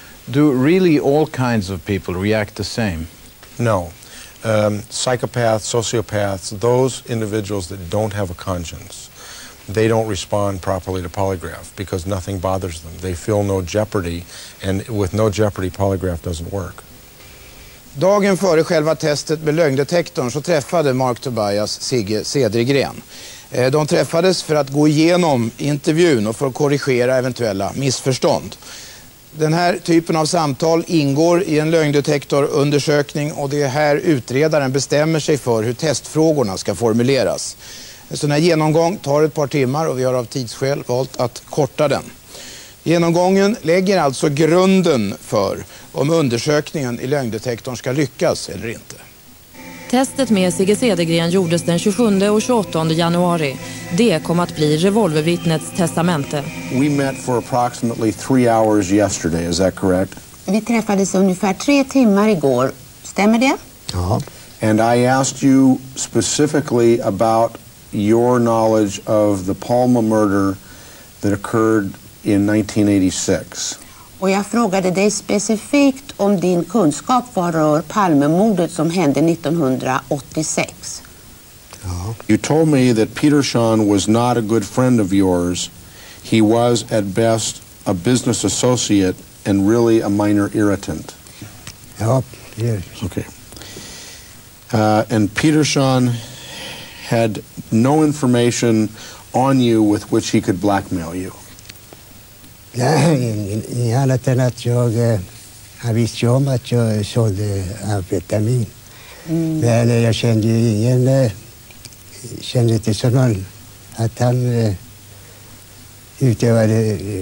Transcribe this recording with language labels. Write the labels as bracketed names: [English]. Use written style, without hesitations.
[English] Do really all kinds of people react the same? No. Psychopaths, sociopaths, those individuals that don't have a conscience, they don't respond properly to polygraph because nothing bothers them. They feel no jeopardy, and with no jeopardy, polygraph doesn't work. [Swedish] Dagen före själva testet med lögndetektorn så träffade Mark Tobias Sigge Cedergren. De träffades för att gå igenom intervjun och för att korrigera eventuella missförstånd. Den här typen av samtal ingår i en lögndetektorundersökning och det är här utredaren bestämmer sig för hur testfrågorna ska formuleras. En sån här genomgång tar ett par timmar och vi har av tidsskäl valt att korta den. Genomgången lägger alltså grunden för om undersökningen i lögndetektorn ska lyckas eller inte. Testet med Sigge Cedergren gjordes den 27 och 28 januari. Det kom att bli revolvervittnets testamente. [English] We met for approximately 3 hours yesterday, is that correct? [Swedish] Vi träffades ungefär 3 timmar igår, stämmer det? Ja. [English] And I asked you specifically about your knowledge of the Palma murder that occurred in 1986. [Swedish] Och jag frågade dig specifikt om din kunskap vad rör Palmemordet som hände 1986. [English] You told me that Peter Sean was not a good friend of yours. He was at best a business associate and really a minor irritant. [Swedish] Ja, [English] yes. Okay. And Peter Sean had no information on you with which he could blackmail you. [Swedish] Nej, annat än att jag visste om att jag sålde amfetamin. Men jag kände ingen, kände inte så någon att han utövade